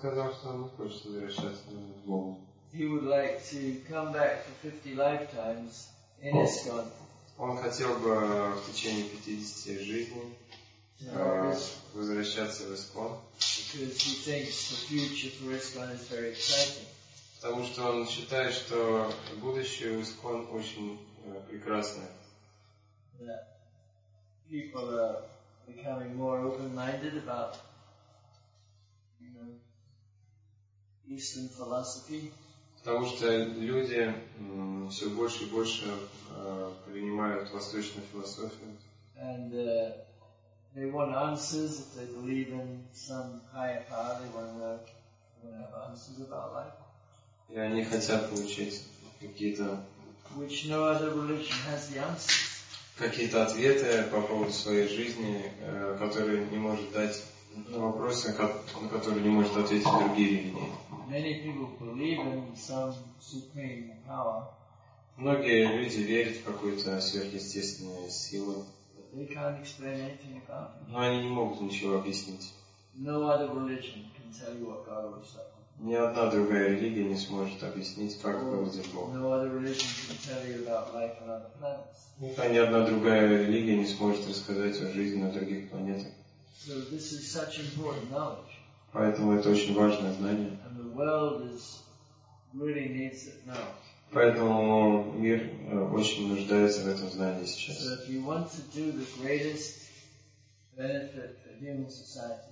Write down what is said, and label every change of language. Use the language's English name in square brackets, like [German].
[English] He would like to come back for 50 lifetimes in ISKCON. [Russian] Он хотел бы в течение 50 жизней возвращаться в ISKCON. [English] Because he thinks the future for ISKCON is very exciting. [Russian] Потому что он считает, что будущее в ISKCON очень прекрасное. [English] Yeah. People are becoming more open-minded about, you know, Eastern philosophy. [Russian] Потому что люди все больше и больше принимают восточную философию. [English] And they want answers if they believe in some higher power. They want to have answers about life. [Russian] И они хотят получить какие-то. [English] Which no other religion has the answers. [Russian] Какие-то ответы по поводу своей жизни, которые не может дать, на вопросы, на которые не может ответить другие религии. [English] Many people believe in some supreme power. [Russian] Многие люди верят в какую-то сверхъестественную силу. [English] But they can't explain anything about it. [Russian] Но они не могут ничего объяснить. [English] No other religion can tell you what God was like. [Russian] Ни одна другая религия не сможет объяснить, как проводит Бог. [English] No other religion can tell you about life on other planets. [Russian] Ни одна другая религия не сможет рассказать о жизни на других планетах. [English] So this is such important knowledge. [Russian] Поэтому это очень важное знание. [English] And the world is really needs it now. [Russian] Поэтому мир очень нуждается в этом знании сейчас. [English] So if you want to do the greatest benefit for human society.